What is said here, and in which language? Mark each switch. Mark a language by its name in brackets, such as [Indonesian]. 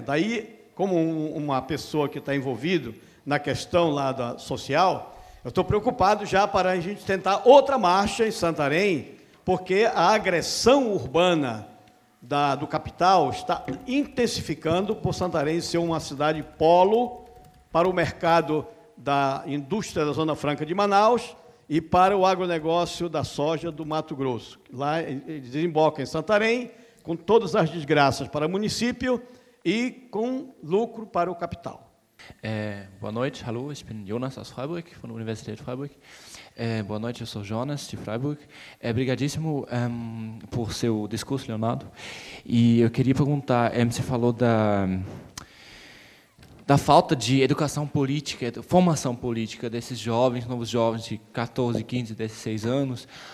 [Portuguese] Daí, como uma pessoa que está envolvida na questão lá da social, eu estou preocupado já para a gente tentar outra marcha em Santarém, porque a agressão urbana do capital está intensificando por Santarém ser uma cidade polo para o mercado da indústria da Zona Franca de Manaus e para o agronegócio da soja do Mato Grosso. Lá desemboca em Santarém, com todas as desgraças para o município e com lucro para o capital. Boa noite, [German] hallo, ich bin Jonas aus Freiburg, von der Universität Freiburg. [Portuguese] Boa noite, eu sou Jonas, de Freiburg. Obrigadíssimo por seu discurso, Leonardo. E eu queria perguntar, você falou da falta de educação política, formação política desses jovens, novos jovens de 14, 15, 16 anos.